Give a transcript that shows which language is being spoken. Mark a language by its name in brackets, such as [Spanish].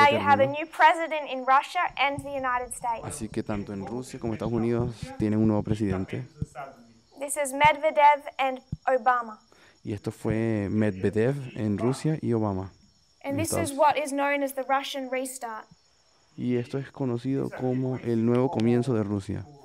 [English] So now you have a new president in Russia and the United States. [Spanish] Así que tanto en Rusia como Estados Unidos tienen un nuevo presidente. [English] This is Medvedev and Obama. [Spanish] Y esto fue Medvedev en Rusia y Obama. [English] And this is what is known as the Russian restart. [Spanish] Y esto es conocido como el nuevo comienzo de Rusia.